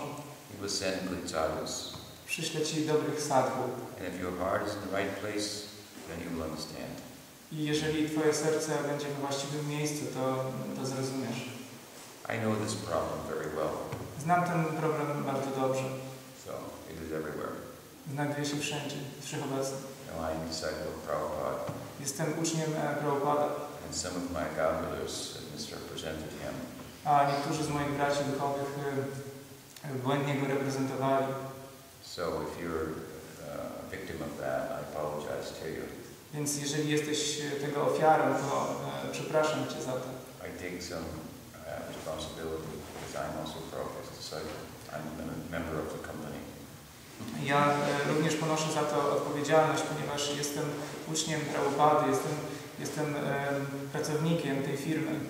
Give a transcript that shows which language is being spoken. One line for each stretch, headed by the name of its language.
English: He will send good sadhus.
Polish: Przyśle ci dobrych sadhu.
English: And if your heart is in the right place, then you will understand.
Polish: I jeżeli twoje serce będzie w właściwym miejscu, to zrozumiesz.
English: I know this problem very well.
Polish: Znam ten problem bardzo dobrze.
English: So, it is everywhere.
Polish: Znajduje się wszędzie, wszechobecnie.
English: And I am disciple of Prabhupada.
Polish: Jestem uczniem Prabhupada.
English: And some of my godbrothers misrepresented him.
Polish: A niektórzy z moich braci duchowych błędnie go reprezentowali.
English: So if you're a victim of that, I apologize to you.
Polish: Więc jeżeli jesteś tego ofiarą, to przepraszam cię za to.
English: I take some responsibility because I'm also Prabhupada's disciple. I'm a member of the company.
Polish: Ja również ponoszę za to odpowiedzialność, ponieważ jestem uczniem Prabhupady, jestem pracownikiem tej firmy.